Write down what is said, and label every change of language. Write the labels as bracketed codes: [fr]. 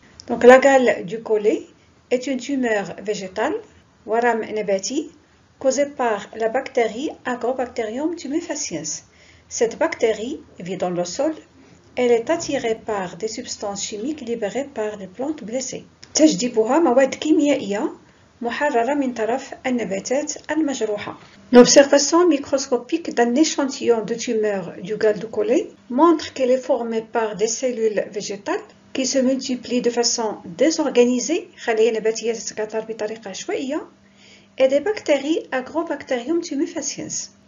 [fr] Donc, la gale du collet est une tumeur végétale, [ar] waram nebati, [fr] causée par la bactérie Agrobacterium tumefaciens. Cette bactérie vit dans le sol. Elle est attirée par des substances chimiques libérées par les plantes blessées. [ar] تجذبها مواد كيميائية محررة من طرف النباتات المجروحة. [fr] L'observation microscopique d'un échantillon de tumeur du gal du collet montre qu'elle est formée par des cellules végétales qui se multiplient de façon désorganisée, [ar] خلايا نباتية تتكاثر بطريقة عشوائية, [fr] et des bactéries Agrobacterium tumefaciens.